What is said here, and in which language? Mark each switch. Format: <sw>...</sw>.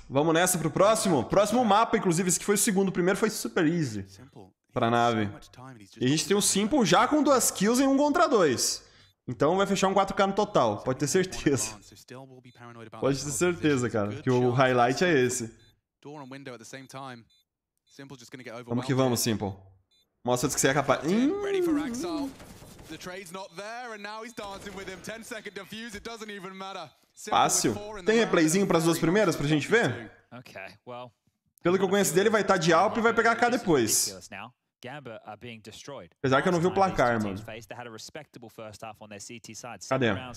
<pt>Vamos nessa pro próximo? Próximo mapa, inclusive. Esse que foi o segundo. O primeiro foi super easy pra nave. E a gente tem o Simple já com duas kills em um contra dois. Então vai fechar um 4K no total. Pode ter certeza. Pode ter certeza, cara. Que o highlight é esse.</pt> <en>door and window at the same time. Simple just gonna get overwhelmed.</en> <pt>Como que vamos, Simple? Mostra que você é capaz.</pt> <en>Ready for Axel. The trade's not there and now he's dancing with him. 10 second defuse, it doesn't even matter.</en> <pt>Fácil. Tem replayzinho para as duas primeiras pra gente ver?</pt> <en>Okay. Well,</en> <pt>pelo que eu conheço dele, vai estar de Alp e vai pegar K depois. Apesar que eu não vi o placar, mano. Cadê?</pt>